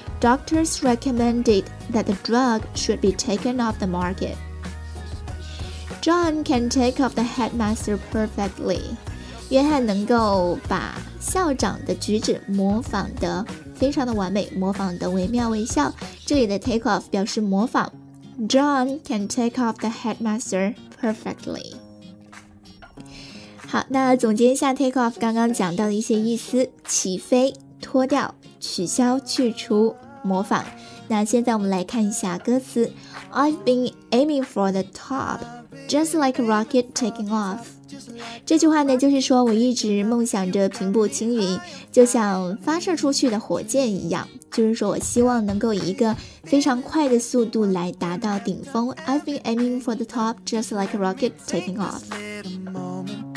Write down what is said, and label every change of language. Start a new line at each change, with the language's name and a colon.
English: Doctors recommended that the drug should be taken off the market。 John can take off the headmaster perfectly，
Chinese: 约翰能够把校长的举止模仿得非常的完美，模仿得惟妙惟肖。这里的 take off 表示模仿。
English: John can take off the headmaster perfectly。
Chinese: 好，那总结一下 take off 刚刚讲到的一些意思，起飞、脱掉、取消、去除、模仿。那现在我们来看一下歌词。
English: I've been aiming for the top just like a rocket taking off，
Chinese: 这句话呢就是说我一直梦想着平步青云，就像发射出去的火箭一样，就是说我希望能够以一个非常快的速度来达到顶峰。
English: I've been aiming for the top just like a rocket taking off。